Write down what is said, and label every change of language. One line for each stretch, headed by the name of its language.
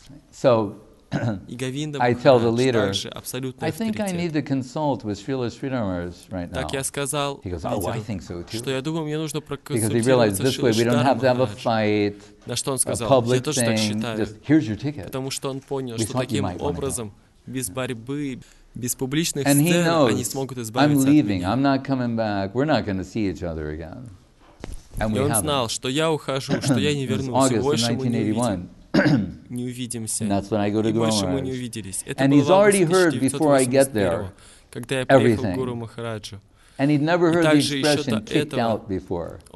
English: So, I tell the leader, I think I need to consult with Srila Sridhar Maharaj right now. He goes, oh, I think so too. Because he realized this way we don't have to have a fight, a public thing, just here's your ticket.
Russian: Потому что он понял, что таким образом, без борьбы, без публичных сцен, они смогут избавиться от меня.
English: I'm leaving, I'm not coming back, we're not going to see each other again. And we haven't.
Russian: Что я ухожу, что я не вернусь, больше мы не увидим. Не увидимся.
English: And that's when I go to Guru Maharaj. And he's already heard before I get there everything. And he'd never heard the expression kicked out before.